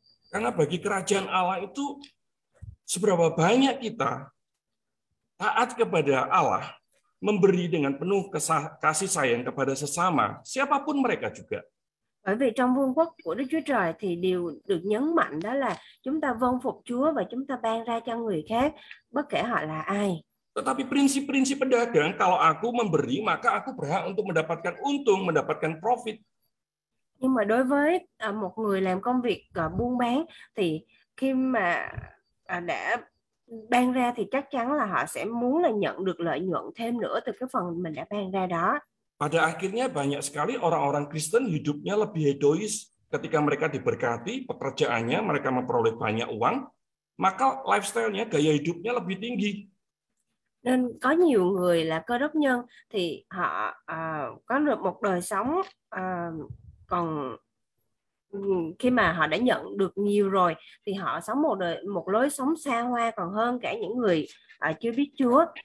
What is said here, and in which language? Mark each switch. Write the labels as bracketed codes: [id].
[id] Karena bagi kerajaan Allah itu seberapa banyak kita taat kepada Allah, memberi dengan penuh kasih sayang kepada sesama, siapapun mereka juga. [vi] Bởi vì trong vương quốc của Đức Chúa Trời thì điều được nhấn mạnh đó là chúng ta vâng phục Chúa và chúng ta ban ra cho người khác bất kể họ là ai. [id] Tetapi prinsip-prinsip pedagang, kalau aku memberi maka aku berhak untuk mendapatkan untung, mendapatkan profit. [vi] Nhưng mà đối với một người làm công việc buôn bán thì khi mà đã ban ra thì chắc chắn là họ sẽ muốn là nhận được lợi nhuận thêm nữa từ cái phần mình đã ban ra đó. [id] Pada akhirnya banyak sekali orang-orang Kristen hidupnya lebih hedonis ketika mereka diberkati pekerjaannya, mereka memperoleh banyak uang, maka lifestyle-nya, gaya hidupnya lebih tinggi. [vi] Nên có nhiều người là cơ đốc nhân thì họ có được một đời sống còn khi mà họ đã nhận được nhiều rồi thì họ sống một đời một lối sống xa hoa còn hơn cả những người chưa biết Chúa.